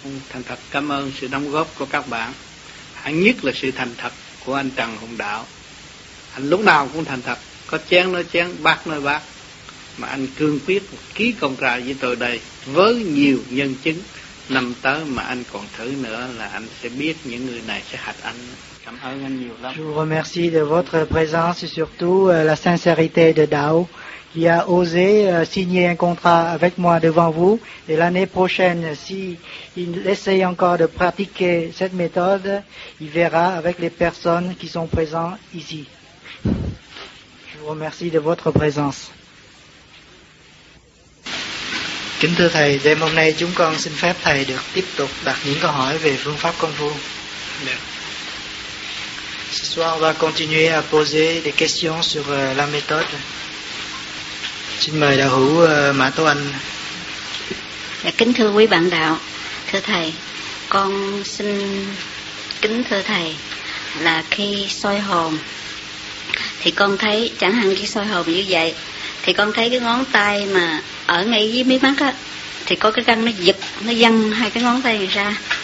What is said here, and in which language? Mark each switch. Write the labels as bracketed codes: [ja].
[vi] Thành thật cảm ơn sự đóng góp của các bạn, hẳn nhất là sự thành thật của anh Trần Hùng Đạo. Anh lúc nào cũng thành thật, có chén nói chén, bát nói bát, mà anh cương quyết ký công trại với tôi đây với nhiều nhân chứng. Năm tới mà anh còn thử nữa là anh sẽ biết những người này sẽ hạch anh. Cảm ơn anh nhiều lắm. [fr] Je vous remercie de votre présence et surtout la sincérité de Đạo. qui a osé signer un contrat avec moi devant vous, et l'année prochaine, s'il essaye encore de pratiquer cette méthode, il verra avec les personnes qui sont présentes ici. Je vous remercie de votre présence. [vi] Kính thưa Thầy, đêm hôm nay chúng con xin phép Thầy được tiếp tục đặt những câu hỏi về phương pháp Công Phu. [fr] Ce soir, on va continuer à poser des questions sur la méthode. [vi] Xin mời đạo hữu Mã Tô Anh. Dạ, kính thưa quý bạn đạo, thưa Thầy, con xin kính thưa Thầy là khi soi hồn, thì con thấy, chẳng hạn khi soi hồn như vậy, thì con thấy cái ngón tay mà ở ngay dưới mí mắt á, thì có cái gân nó giật, nó giăng hai cái ngón tay này ra.